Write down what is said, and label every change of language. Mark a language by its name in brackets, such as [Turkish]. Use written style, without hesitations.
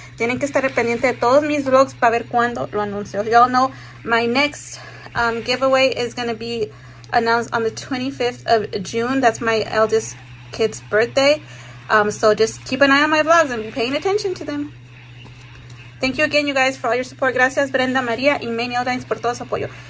[Spanish] Tienen que estar pendiente de todos mis vlogs para ver cuándo lo anuncio. [English] Y'all know my next giveaway is going to be announced on the 25th of June. That's my eldest kid's birthday. So just keep an eye on my vlogs and be paying attention to them. Thank you again, you guys, for all your support. [Spanish] Gracias, Brenda, María y Manny Aldines por todo su apoyo.